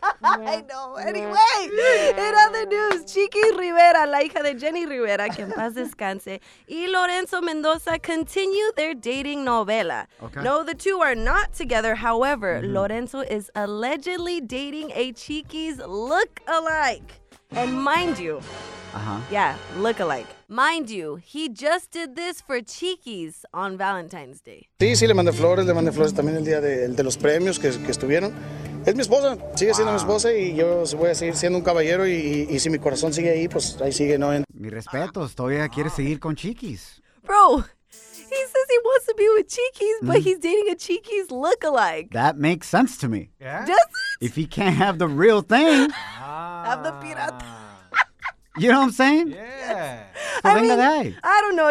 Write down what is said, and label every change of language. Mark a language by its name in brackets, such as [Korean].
[English] Yeah. I know. Anyway, in other news, Chiqui Rivera, [Spanish] la hija de Jenny Rivera, que en paz descanse, [English] y Lorenzo Mendoza continue their dating novela. Okay. No, the two are not together. However, Lorenzo is allegedly dating a Chiqui's look-alike. And mind you, yeah, look-alike. Mind you, he just did this for Chiqui's on Valentine's Day. [Spanish] Sí, sí, le mandé flores también el día de los premios que estuvieron. Es mi esposa, sigue siendo mi esposa y yo voy a seguir siendo un caballero y si mi corazón sigue ahí, pues ahí sigue, ¿no? Mi respeto, todavía quiere seguir con Chiqui's. [English] Bro, he says he wants to be with Chiqui's, but he's dating a Chiqui's lookalike. That makes sense to me. Yeah? Does it? If he can't have the real thing. Have the pirata. You know what I'm saying? Yeah. Yes. I don't know.